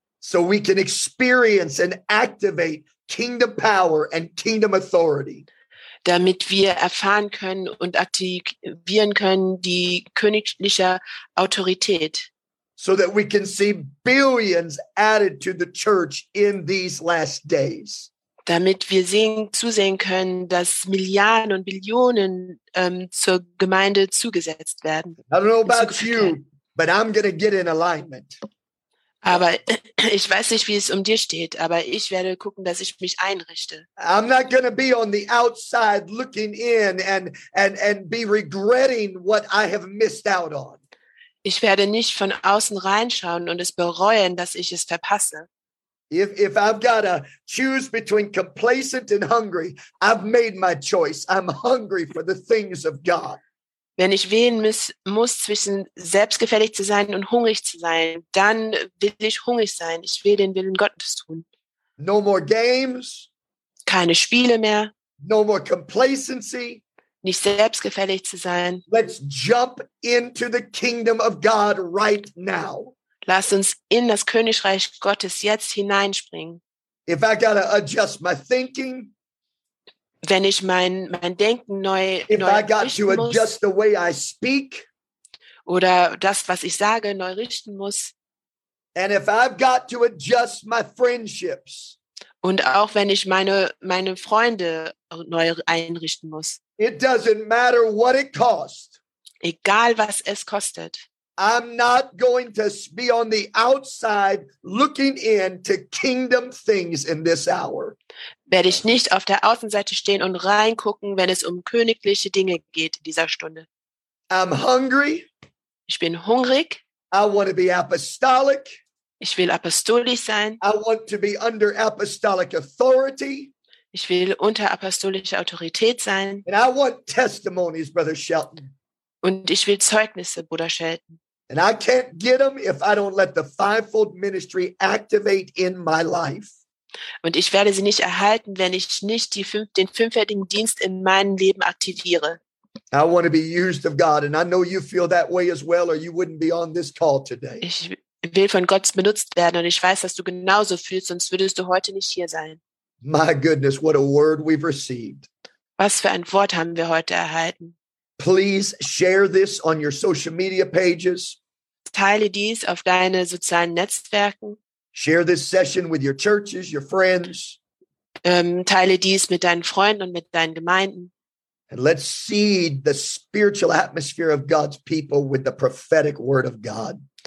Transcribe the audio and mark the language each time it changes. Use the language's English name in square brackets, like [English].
[English] So we can experience and activate kingdom power and kingdom authority. [German] Damit wir erfahren können und aktivieren können die königliche Autorität. [English] So that we can see billions added to the church in these last days. [German] Damit wir zusehen können, dass Milliarden und Billionen zur Gemeinde zugesetzt werden. [English] I don't know about you, but I'm going to get in alignment. [German] Aber ich weiß nicht, wie es um dir steht, aber ich werde gucken, dass ich mich einrichte. [English] I'm not going to be on the outside looking in and be regretting what I have missed out on. [German] Ich werde nicht von außen reinschauen und es bereuen, dass ich es verpasse. [English] If I've got to choose between complacent and hungry, I've made my choice. I'm hungry for the things of God. [German] Wenn ich wählen muss zwischen selbstgefällig zu sein und hungrig zu sein, dann will ich hungrig sein. Ich will den Willen Gottes tun. [English] No more games. [German] Keine Spiele mehr. [English] No more complacency. [German] Nicht selbstgefällig zu sein. [English] Let's jump into the kingdom of God right now. [German] Lass uns in das Königreich Gottes jetzt hineinspringen. [English] If I gotta adjust my thinking, [German] wenn ich mein Denken neu richten muss, [English] if I got to adjust the way I speak, [German] oder das, was ich sage, neu richten muss, [English] And if I've got to adjust my friendships, [German] und auch wenn ich meine Freunde neu einrichten muss, [English] it doesn't matter what it costs. [German] Egal was es kostet. [English] I'm not going to be on the outside looking in to kingdom things in this hour. [German] Werde ich nicht auf der Außenseite stehen und reingucken, wenn es um königliche Dinge geht in dieser Stunde. [English] I'm hungry. [German] Ich bin hungrig. [English] I want to be apostolic. [German] Ich will apostolisch sein. [English] I want to be under apostolic authority. [German] Ich will unter apostolischer Autorität sein. [English] And I want testimonies, Brother Shelton. [German] Und ich will Zeugnisse, Bruder Shelton. [English] And I can't get them if I don't let the fivefold ministry activate in my life. [German] Und ich werde sie nicht erhalten, wenn ich nicht den fünffältigen Dienst in meinem Leben aktiviere. [English] I want to be used of God, and I know you feel that way as well, or you wouldn't be on this call today. [German] Ich will von Gott benutzt werden, und ich weiß, dass du genauso fühlst, sonst würdest du heute nicht hier sein. [English] My goodness, what a word we've received. [German] Was für ein Wort haben wir heute erhalten. [English] Please share this on your social media pages. [German] Teile dies auf deine sozialen Netzwerken. [English] Share this session with your churches, your friends. [German] Teile dies mit deinen Freunden und mit deinen Gemeinden. [English] And let's seed the spiritual atmosphere of God's people with the prophetic word of God.